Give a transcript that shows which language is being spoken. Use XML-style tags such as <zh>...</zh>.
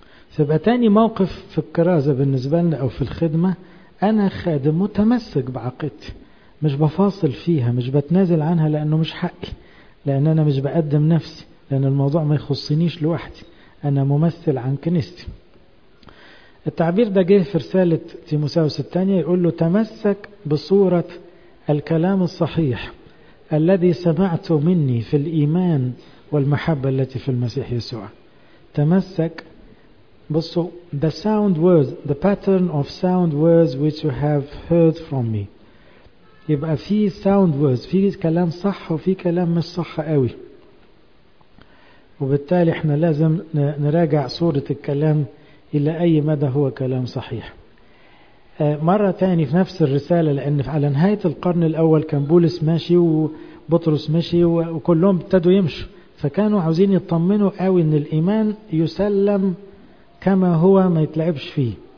<ar>فبقى تاني موقف في الكرازة بالنسبة لنا او في الخدمة، انا خادم متمسك بعقيدتي، مش بفاصل فيها، مش بتنازل عنها لانه مش حقي، لان انا مش بقدم نفسي، لان الموضوع ما يخصنيش لوحدي، انا ممثل عن كنيستي. التعبير ده جه في رسالة تيموثاوس الثانية، يقول له تمسك بصورة الكلام الصحيح الذي سمعته مني في الإيمان والمحبة التي في المسيح يسوع. تمسك، بصوا،</ar> <en>the sound words, the pattern of sound words which you have heard from me.</en> <ar>يبقى في</ar> <en>sound words،</en> <ar>في كلام صح وفي كلام مش صح قوي، وبالتالي احنا لازم نراجع صورة الكلام إلى أي مدى هو كلام صحيح. مرة تاني في نفس الرسالة، لأن على نهاية القرن الأول كان بولس ماشي وبطرس ماشي وكلهم ابتدوا يمشوا، فكانوا عاوزين يطمنوا قوي أن الإيمان يسلم كما هو، ما يتلعبش فيه.</ar>